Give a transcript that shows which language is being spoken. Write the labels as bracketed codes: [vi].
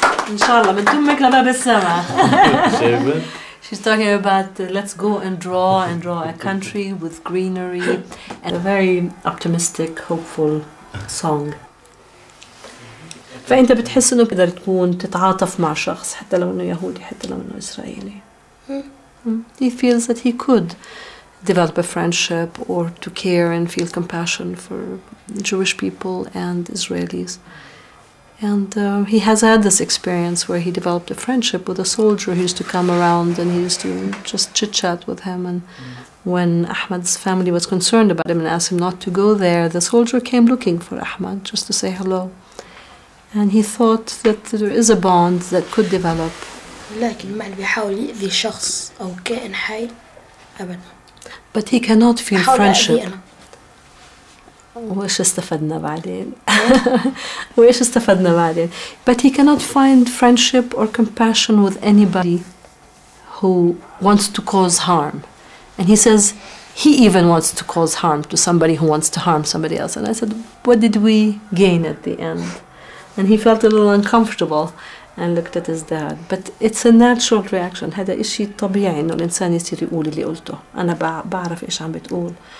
[ar] إن شاء الله من تمك لباب السماء [en] She's talking about let's go and draw a country with greenery and a very optimistic, hopeful song. [ar] فأنت بتحس إنه بتقدر تكون تتعاطف مع شخص حتى لو إنه يهودي حتى لو إنه إسرائيلي. [en] He feels that he could develop a friendship or to care and feel compassion for Jewish people and Israelis. And he has had this experience where he developed a friendship with a soldier who used to come around and he used to just chit-chat with him. And when Ahmad's family was concerned about him and asked him not to go there, the soldier came looking for Ahmad just to say hello. And he thought that there is a bond that could develop. But he cannot feel friendship. [ar] وإيش استفدنا بعدين؟ [en] But he cannot find friendship or compassion with anybody who wants to cause harm. And he says he even wants to cause harm to somebody who wants to harm somebody else. And I said, what did we gain at the end? And he felt a little uncomfortable and looked at his dad. But it's a natural reaction. [ar] هذا إشي طبيعي إنه الإنسان يصير يقول اللي قلته. أنا بعرف إيش عم بتقول.